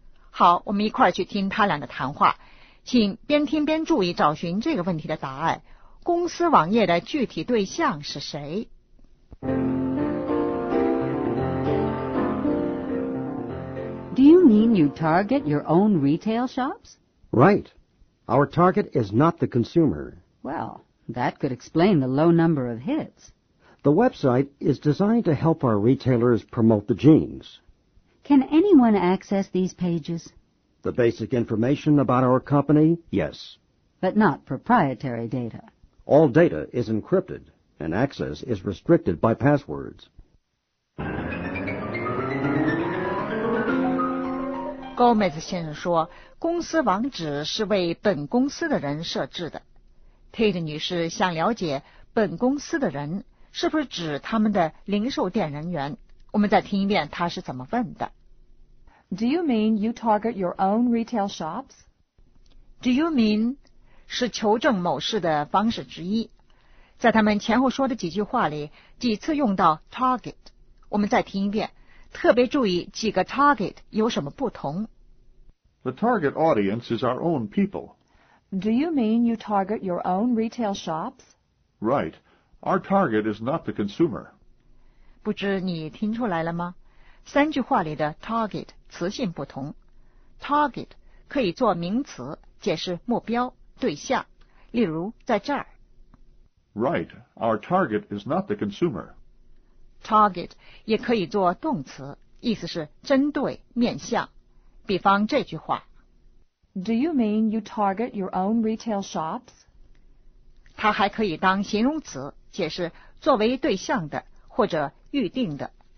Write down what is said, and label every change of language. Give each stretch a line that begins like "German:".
Chinese: 好，我们一块儿去听他俩的谈话，请边听边注意找寻这个问题的答案，公司网页的具体对象是谁。
English: Do you mean you target your own retail shops? Right. Our target is not the consumer. Well, that could explain the low number of hits. The website is designed to help our retailers promote the jeans. Can anyone access these pages? The basic information about our company, yes. But not proprietary data. All data is encrypted, and access is restricted by passwords.
Chinese: Gomez 先生说，公司网址是为本公司的人设置的。 Tate 女士想了解本公司的人是不是指他们的零售店人员。我们再听一遍她是怎么问的。
English: Do you mean you target your own retail shops? Do you mean
Chinese: 是求证某事的方式之一。在他们前后说的几句话里，几次用到 target。我们再听一遍。特别注意几个 target 有什么不同。
English: The target audience is our own people. Do you mean you target your own retail shops? Right. Our target is not the consumer.
Chinese: 不知你听出来了吗？三句话里的 target 词性不同。Target 可以做名词，解释目标、对象。例如在这儿。
English: Right. Our target is not the consumer.
Chinese: Target 也可以做动词，意思是针对、面向。比方这句话
English: ：Do you mean you target your own retail shops？
Chinese: 它还可以当形容词，解释作为对象的或者预定的。